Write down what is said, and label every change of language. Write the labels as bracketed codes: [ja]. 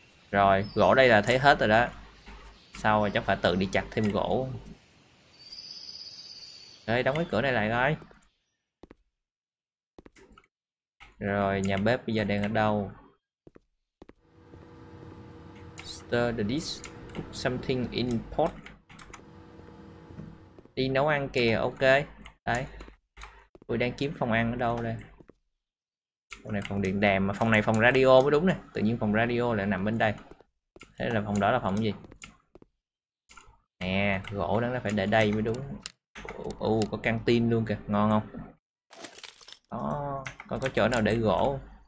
[vi] Rồi gỗ đây là thấy hết rồi đó. Sau rồi chắc phải tự đi chặt thêm gỗ. Đây đóng cái cửa này lại coi. Rồi nhà bếp bây giờ đang ở đâu? [en] Stir the dish, put something in pot. [vi] Đi nấu ăn kìa, ok. Đấy. Tôi đang kiếm phòng ăn ở đâu đây? Phòng này phòng điện đàm, mà phòng này phòng radio mới đúng nè. Tự nhiên phòng radio lại nằm bên đây. Thế là phòng đó là phòng gì? Nè, gỗ đáng là phải để đây mới đúng. Có canteen luôn kìa, ngon không? Đó. Có chỗ nào để gỗ